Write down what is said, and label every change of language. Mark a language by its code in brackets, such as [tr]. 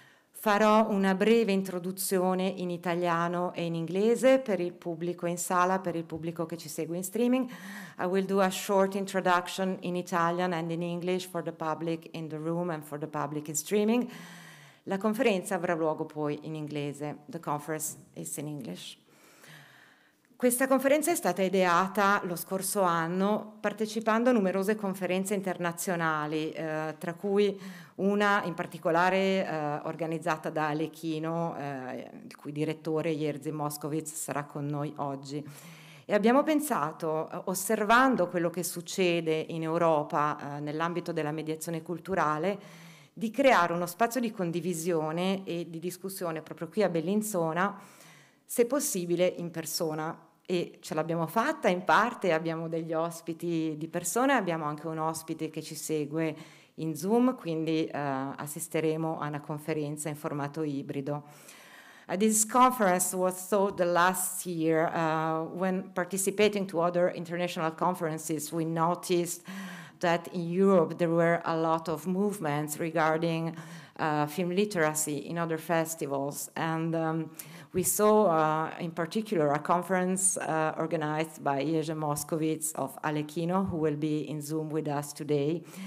[it] Farò una breve introduzione in italiano e in inglese per il pubblico in sala, per il pubblico che ci segue in streaming. [en] I will do a short introduction in Italian and in English for the public in the room and for the public in streaming. [it] La conferenza avrà luogo poi in inglese. [en] The conference is in English. [it] Questa conferenza è stata ideata lo scorso anno partecipando a numerose conferenze internazionali, tra cui una in particolare organizzata da Alekino, il cui direttore Jerzy Moszkowicz sarà con noi oggi. E abbiamo pensato, osservando quello che succede in Europa nell'ambito della mediazione culturale, di creare uno spazio di condivisione e di discussione proprio qui a Bellinzona, se possibile in persona. E ce l'abbiamo fatta in parte, abbiamo degli ospiti di persona, abbiamo anche un ospite che ci segue in Zoom, quindi assisteremo a una conferenza in formato ibrido. [en] This conference was thought the last year when participating to other international conferences we noticed that in Europe there were a lot of movements regarding film literacy in other festivals, and we saw in particular a conference organized by Jerzy Moszkowicz of Alekino, who will be in Zoom with us today.